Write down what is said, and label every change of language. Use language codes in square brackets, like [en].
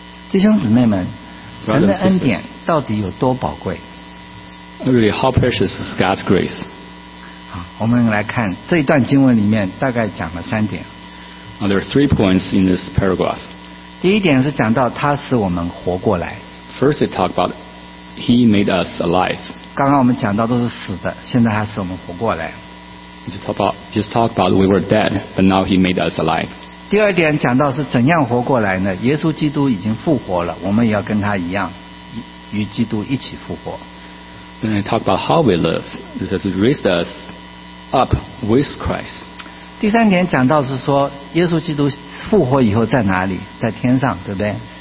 [zh] 弟兄姊妹们，神的恩典到底有多宝贵？ [en] Really, how precious is God's grace? [zh] 好，我们来看这一段经文里面大概讲了三点。 [en] Now, there are three points in this paragraph. [zh] 第一点是讲到他使我们活过来。 [en] First, it talked about he made us alive. [zh] 刚刚我们讲到都是死的，现在他使我们活过来。 [en] Just talk about we were dead, but now he made us alive. [zh] 第二点讲到是怎样活过来呢？耶稣基督已经复活了，我们也要跟他一样，与基督一起复活。 [en] Then it talked about how we live. It has raised us up with Christ. [zh] 第三点讲到是说耶稣基督复活以后在哪里，在天上，对不对？